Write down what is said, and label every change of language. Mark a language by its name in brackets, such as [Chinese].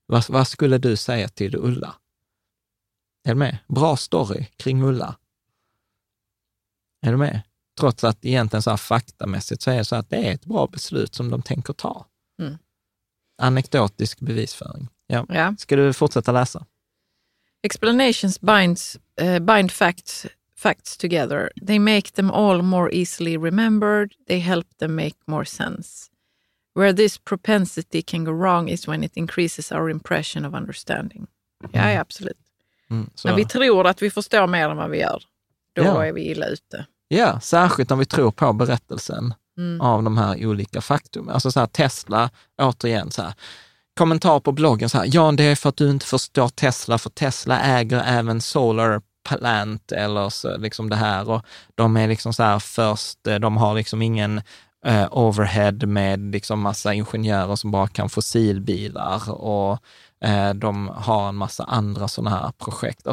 [Swedish] Vad skulle du säga till Ulla? Är du med? Bra story kring Ulla. Är du med? Trots att egentligen så här faktamässigt så är det så att det är ett bra beslut som de tänker ta. Mm. Anekdotisk bevisföring. Ja. Ja. Ska du fortsätta läsa? [English] Explanations bind facts together. They make them all more easily remembered. They help them make more sense. Where this propensity can go wrong is when it increases our impression of understanding. [Swedish] Ja, ja, absolut. Mm, när vi tror att vi förstår mer än vad vi gör, då är vi illa ute. Ja, särskilt om vi tror på berättelsen av de här olika faktumen. Alltså så här, Tesla, återigen så här, kommentar på bloggen så här, ja, det är för att du inte förstår Tesla, för Tesla äger även Solar Plant eller så, liksom det här, och de är liksom så här först, de har liksom ingen overhead med liksom massa ingenjörer som bara kan fossilbilar, och de har en massa andra sådana här projekt.